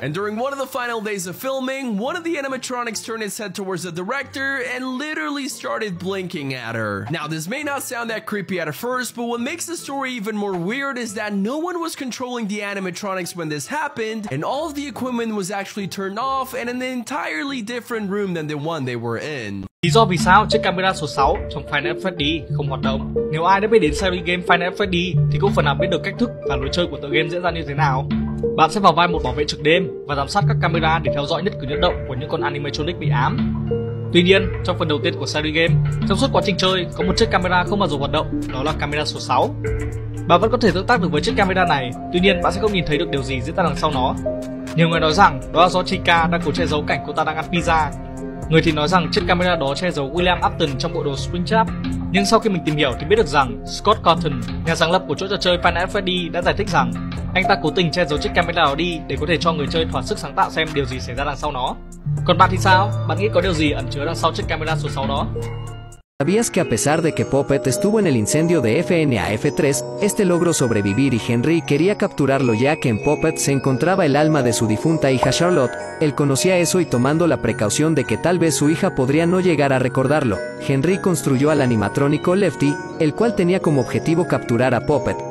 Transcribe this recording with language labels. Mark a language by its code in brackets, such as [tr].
[en] And during one of the final days of filming, one of the animatronics turned its head towards the director and literally started blinking at her. Now, this may not sound that creepy at first, but what makes the story even more weird is that no one was controlling the animatronics when this happened, and all of the equipment was actually turned off and in an entirely different room than the one they were in. [vi] Lý do vì sao chiếc camera số 6 trong FNAF Freddy không hoạt động. Nếu ai đã biết đến series game FNAF Freddy thì cũng phần nào biết được cách thức và lối chơi của tựa game diễn ra như thế nào. Bạn sẽ vào vai một bảo vệ trực đêm và giám sát các camera để theo dõi nhất cử nhất động của những con animatronic bị ám. Tuy nhiên, trong phần đầu tiên của series game, trong suốt quá trình chơi, có một chiếc camera không bao giờ hoạt động, đó là camera số 6. Bạn vẫn có thể tương tác được với chiếc camera này, tuy nhiên bạn sẽ không nhìn thấy được điều gì diễn ra đằng sau nó. Nhiều người nói rằng đó là do Chica đang cố che giấu cảnh cô ta đang ăn pizza. Người thì nói rằng chiếc camera đó che giấu William Upton trong bộ đồ Springtrap. Nhưng sau khi mình tìm hiểu thì biết được rằng Scott Cawthon, nhà sáng lập của chuỗi trò chơi FNAF Freddy đã giải thích rằng anh ta cố tình che giấu chiếc camera đó đi để có thể cho người chơi thỏa sức sáng tạo xem điều gì xảy ra đằng sau nó. Còn bạn thì sao? Bạn nghĩ có điều gì ẩn chứa đằng sau chiếc camera số 6 đó? [es] ¿Sabías que a pesar de que Poppet estuvo en el incendio de FNAF 3, este logró sobrevivir y Henry quería capturarlo ya que en Poppet se encontraba el alma de su difunta hija Charlotte? Él conocía eso y tomando la precaución de que tal vez su hija podría no llegar a recordarlo, Henry construyó al animatrónico Lefty, el cual tenía como objetivo capturar a Poppet.